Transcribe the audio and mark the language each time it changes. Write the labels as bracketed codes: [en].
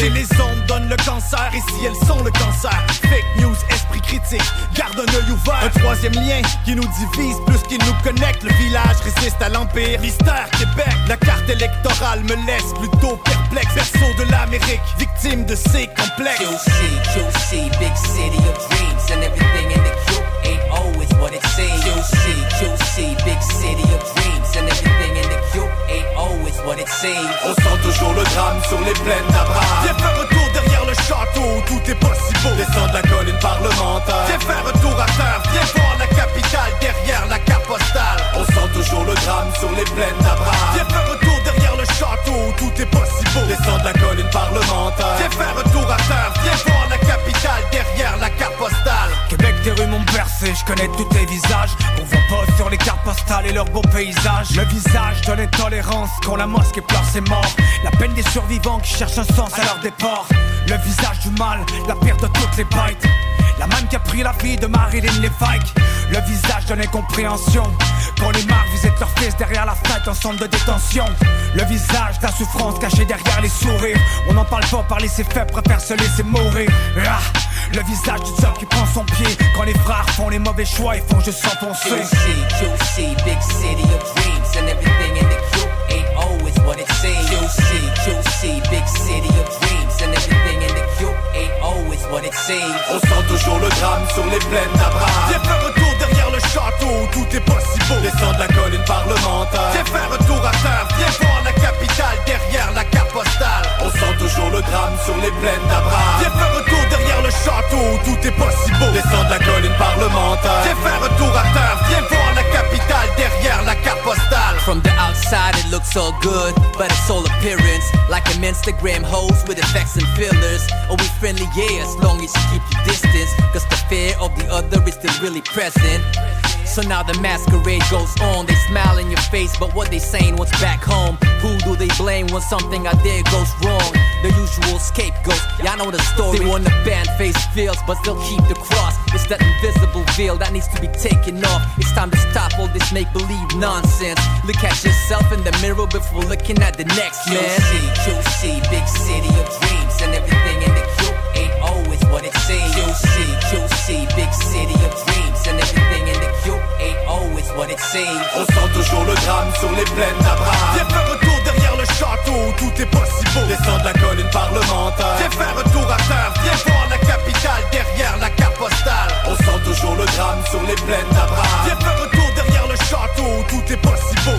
[fr] Si les ondes donnent le cancer, ici elles sont le cancer. Fake news, esprit critique, garde un œil ouvert. Un troisième lien qui nous divise plus qu'il nous connecte. Le village résiste à l'empire, mystère Québec. La carte électorale me laisse plutôt perplexe. Berceau de l'Amérique, sick, victime de ses complexes. [en] QC, QC, big city of dreams, and everything in the Q ain't always what it seems. QC, QC, big city of dreams, and everything in the Q ain't always what it seems. [fr] On sent toujours le drame sur les plaines d'Abraham. Viens faire retour derrière le château où tout est possible. Descends de la colline parlementaire. Viens faire retour à terre, viens voir la capitale derrière la carte postale. On sent toujours le drame sur les plaines d'Abraham. Viens faire retour derrière le château où tout est possible. Descends de la colline parlementaire. Viens faire retour à terre, viens voir la capitale derrière la carte postale. Québec, des rues m'ont bercé, je connais tous tes visages. On voit pas sur les cartes postales et leurs beaux paysages. Le visage de l'intolérance quand la mosquée pleure ses morts. La peine des survivants qui cherchent un sens à leur départ. Le visage du mal, la pire de toutes les bites. La manne qui a pris la vie de Marilyn Levesque. Le visage de l'incompréhension quand les marques visitent leur fils derrière la fête en centre de détention. Le visage de la souffrance cachée derrière les sourires. On en parle pas, parler c'est fait, préfère se laisser mourir. Rah. Le visage du diable qui prend son pied quand les frères font les mauvais choix et font juste s'enfoncer. QC, QC, big city of dreams, and everything in the Q ain't always what it seems. QC, QC, big city of dreams, and everything in the Q ain't always what it seems. On sent toujours le drame sur les plaines d'Abraham. Viens faire retour derrière le château où tout est possible. Descends de la colline parlementaire. Viens faire retour à terre, viens voir la capitale derrière la carte postale. On sent toujours le drame sur les plaines d'Abraham. Viens faire retour derrière le château où tout est possible. Descends de la colline parlementaire. Viens faire retour à terre, viens voir la capitale derrière la carte postale. [en] From the outside it looks all good, but it's all appearance. Like an Instagram host with effects and fillers. Are we friendly? Yeah, as long as you keep your distance. Cause the fear of the other is still really present. So now the masquerade goes on. They smile in your face, but what they saying, what's back home? Who do they blame when something out there goes wrong? The usual scapegoats, y'all know the story. They want to ban face feels, but still keep the cross. It's that invisible veil that needs to be taken off. It's time to stop all this make-believe nonsense. Look at yourself in the mirror before looking at the next man. QC, QC, big city of dreams, and everything in the Q ain't always what it seems. QC, QC, big city of dreams, and everything in the what it seems. [fr] On sent toujours le drame sur les plaines d'Abraham. Viens faire retour derrière le château où tout est possible. Descends de la colline parlementaire. Viens faire retour à terre. Viens voir la capitale derrière la carte postale. On sent toujours le drame sur les plaines d'Abraham. Viens faire retour derrière le château où tout est possible.